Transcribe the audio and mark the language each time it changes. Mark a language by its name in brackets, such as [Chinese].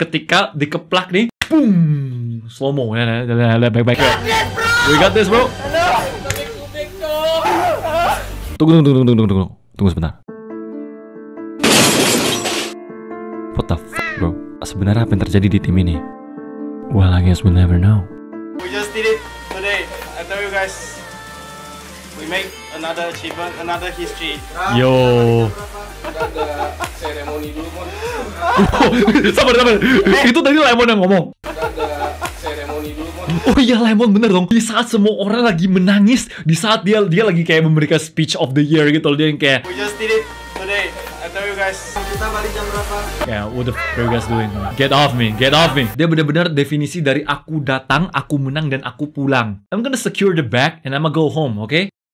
[Indonesian] Ketika dikeplak nih, boom! Slow-mo ya, lihat baik-baik. [English] We got this bro! [Indonesian] Tunggu sebentar. [English] What the f- bro, [Indonesian] sebenarnya apa yang terjadi di tim ini? [English] Well, I guess we'll never know. We just did it today. I tell you guys, we make another achievement, another history. Yo. [Indonesian] seremoni dulu, Mon. Sabar. Itu tadi Lemon yang ngomong. Oh iya, Lemon, bener dong. Di saat semua orang lagi menangis, di saat dia lagi kayak memberikan [English] speech of the year [Indonesian] gitu loh, dia yang kayak, [English] "We just did it today. I tell you guys, [Indonesian] kita balik jam berapa?" [English] Yeah, what the f*** are you guys doing? Get off me. [Indonesian] Dia benar-benar definisi dari aku datang, aku menang, dan aku pulang. [English] I'm gonna secure the bag and I'm gonna go home, okay?